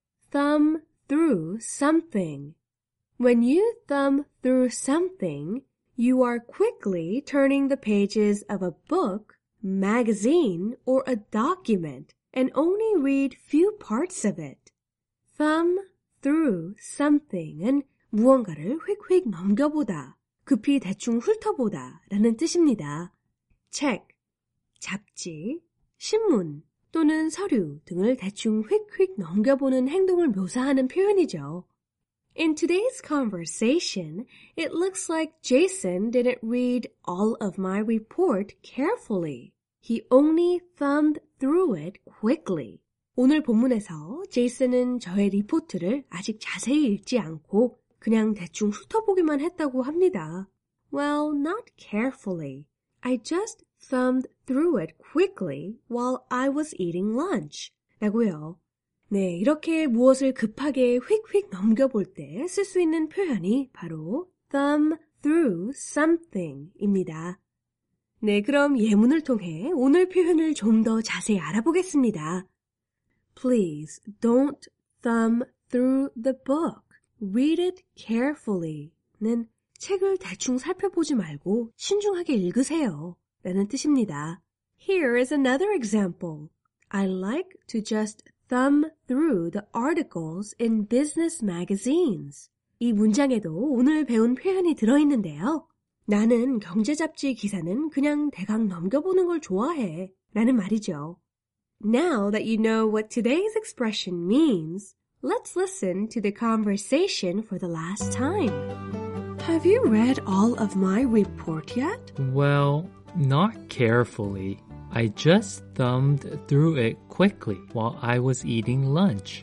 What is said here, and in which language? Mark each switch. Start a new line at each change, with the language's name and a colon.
English: Thumb through something. When you thumb through something, you are quickly turning the pages of a book, magazine, or a document and only read few parts of it. Thumb through something은
Korean: 무언가를 휙휙 넘겨보다, 급히 대충 훑어보다 라는 뜻입니다. 책, 잡지, 신문 또는 서류 등을 대충 휙휙 넘겨보는 행동을 묘사하는 표현이죠.
English: In today's conversation, it looks like Jason didn't read all of my report carefully. He only thumbed through it quickly.
Korean: 오늘 본문에서 제이슨은 저의 리포트를 아직 자세히 읽지 않고 그냥 대충 훑어보기만 했다고 합니다.
English: Well, not carefully. I just thumbed through it quickly while I was eating lunch.
Korean: 라고요. 네, 이렇게 무엇을 급하게 휙휙 넘겨볼 때 쓸 수 있는 표현이 바로 thumb through something입니다. 네, 그럼 예문을 통해 오늘 표현을 좀 더 자세히 알아보겠습니다.
English: Please don't thumb through the book. Read it carefully.는
Korean: 책을 대충 살펴보지 말고 신중하게 읽으세요. 라는 뜻입니다.
English: Here is another example. I like to just thumb through the articles in business magazines.
Korean: 이 문장에도 오늘 배운 표현이 들어있는데요. 나는 경제 잡지 기사는 그냥 대강 넘겨보는 걸 좋아해 라는 말이죠.
English: Now that you know what today's expression means, let's listen to the conversation for the last time. Have you read all of my report yet? Well, not carefully. I just thumbed through it quickly while I was eating lunch.